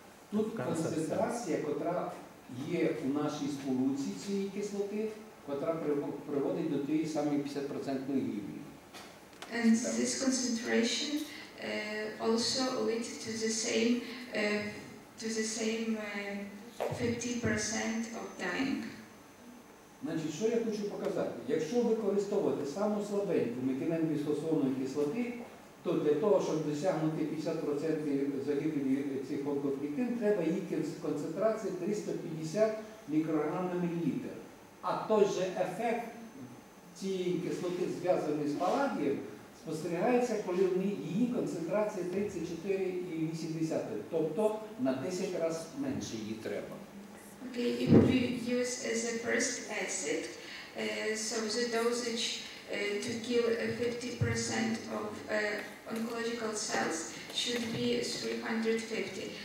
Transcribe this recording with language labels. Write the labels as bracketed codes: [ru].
[uk] Тут концентрація, котра є у нашій сполуці цієї кислоти, котра приводить до тієї самої 50% гибелі. [en] And this concentration also leads to the same 50% of dying. [uk] Значить, що я хочу показати? Якщо використовувати саму слабеньку метиленбісфосфонової кислоти, то для того, щоб досягнути 50% загибелі цих онкоклітин, треба її концентрації 350 мікрограм на мілілітр. А той же ефект цієї кислоти, зв'язаний з паладієм, спостерігається, коли її концентрація 34,8, тобто на 10 разів менше її треба. [en] Okay, if we use as a first acid, so the dosage to kill 50% of oncological cells should be 350.